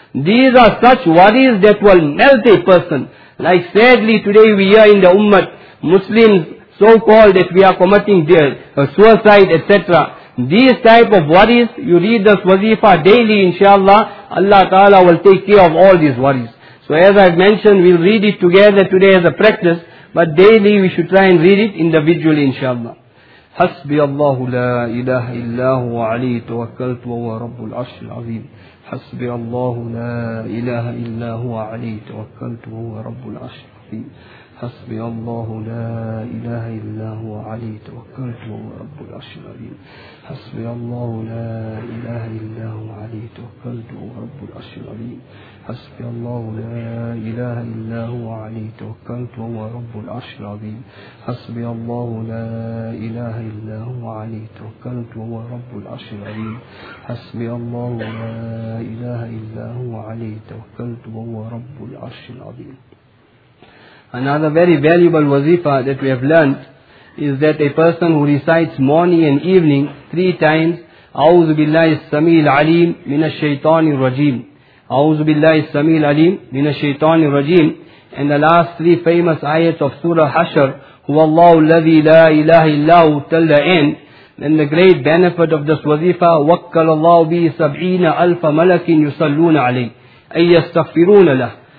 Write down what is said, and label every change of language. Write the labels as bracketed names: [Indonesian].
[English] These are such worries that will melt a person. Like sadly today we hear in the ummah, Muslims so-called that we are committing suicide, etc. These type of worries, you read this wazifa daily, inshallah, Allah ta'ala will take care of all these worries. So as I've mentioned, we'll read it together today as a practice, but daily we should try and read it individually, inshallah. [Arabic] حَسْبِيَ اللَّهُ لَا إِلَهَ إِلَّا هُوَ عَلِيهِ تَوَكَّلْتُ وَهُوَ رَبُّ الْعَرْشِ الْعَظِيمِ حَسْبِيَ اللَّهُ لَا إِلَهَ إِلَّا هُوَ عَلِيهِ تَوَكَّلْتُ وَهُوَ رَبُّ الْعَرْشِ الْعَظِيمِ حسبي الله لا إله إلا هو علي توكلت وهو رب العرش العظيم حسبي الله لا إله إلا هو علي توكلت وهو رب العرش العظيم حسبي الله لا إله إلا هو علي توكلت وهو رب العرش العظيم حسبي الله لا إله إلا هو علي توكلت وهو رب العرش العظيم حسبي الله لا إله إلا هو علي توكلت وهو رب العرش العظيم. [English] Another very valuable wazifa that we have learnt is that a person who recites morning and evening 3 times, [Arabic] A'udhu Billahi Samil Alim Minash Shaitanir Rajim, [English] A'udhu Billahi Samil Alim Minash Shaitanir Rajim, and the last 3 famous ayats of Surah Hashr, [Arabic] Huwallahu Alladhi La Ilaha Illahu Talla'in, [English] Then the great benefit of this wazifa, [Arabic] وَكَّلَ اللَّهُ بِهِ سَبْعِينَ أَلْفَ مَلَكٍ يُصَلُّونَ عَلَيْهِ أَيْ يَسْتَغْفِرُونَ لَهُ.